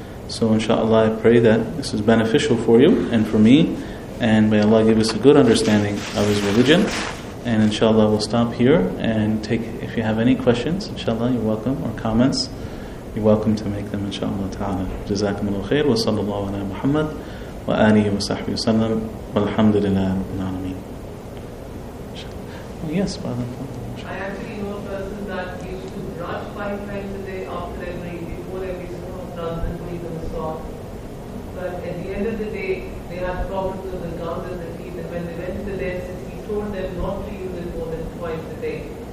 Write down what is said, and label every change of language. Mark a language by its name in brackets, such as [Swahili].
[English] So inshallah, I pray that this is beneficial for you and for me, and may Allah give us a good understanding of His religion. And inshallah, we'll stop here and take, if you have any questions, inshallah, you're welcome, or comments, you're welcome to make them, inshallah ta'ala. [Arabic] Jazakum Allah khair, wa sallallahu ala Muhammad. وآله وصحبه وسلم والحمد لله رب العالمين. [English] Yes, brother. I actually know a person that used to brush 5 times a day after every, before every sunnah of gums and teeth and salt. But at the end of the day, they had problems with the gums and the teeth, and when they went to the dentist, he told them not to use it more than twice a day.